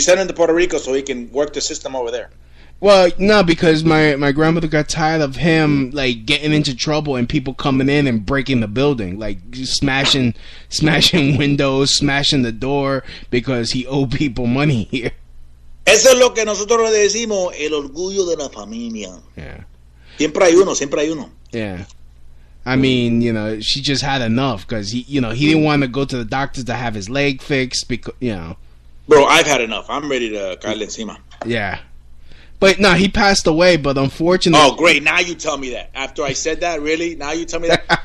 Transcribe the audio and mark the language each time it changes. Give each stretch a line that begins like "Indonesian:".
English: sent him to Puerto Rico so he can work the system over there. Well, no, because my grandmother got tired of him, like, getting into trouble and people coming in and breaking the building. Like, smashing windows, smashing the door, because he owed people money here.
Spanish: Eso es lo que nosotros le decimos, el orgullo de la familia.
English: Yeah.
Spanish: Siempre hay uno.
English: Yeah. I mean, you know, she just had enough, because he, you know, he didn't want to go to the doctor to have his leg fixed, because, you know. Bro, I've had enough. I'm ready to
Spanish: caerle encima.
English: Yeah. But no, he passed away, but unfortunately. Oh, great. Now you tell me that. After I said that, really? Now you tell me that?